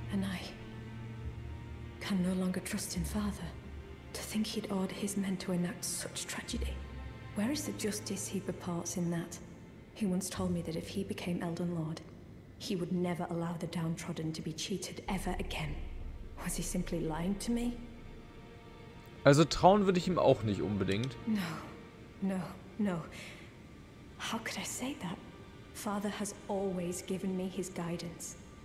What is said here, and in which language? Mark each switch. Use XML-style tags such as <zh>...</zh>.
<en>And I can no longer trust in father. To think he'd order his men to enact such tragedy. Where is the justice he purports in that? He once told me that if he became Elden Lord, he would never allow the downtrodden to be cheated ever again. Was he simply lying to me?</en> <de>Also trauen würde ich ihm auch nicht unbedingt.</de> <en>No, no. No. How could I say that? Father has always given me his guidance.</en>